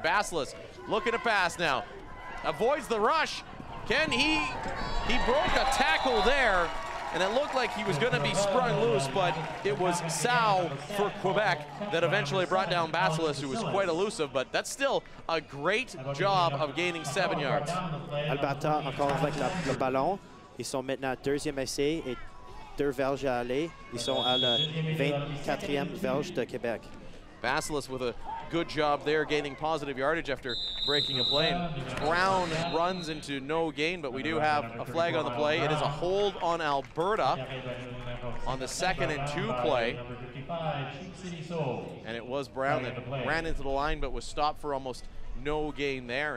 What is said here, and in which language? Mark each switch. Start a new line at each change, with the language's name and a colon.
English: Basilis looking to pass now, avoids the rush. Can he? He broke a tackle there, and it looked like he was going to be sprung loose, but it was Sal for Quebec that eventually brought down Basilis, who was quite elusive, but that's still a great job of gaining 7 yards.
French: Alberta encore avec le ballon. Ils sont maintenant deuxième essai et deux verges à aller. Ils sont à la 24e verge de Québec.
English: Basilis with a good job there, gaining positive yardage after breaking a play. Brown runs into no gain, but we do have a flag on the play. It is a hold on Alberta on the second and two play. And it was Brown that ran into the line, but was stopped for almost no gain there.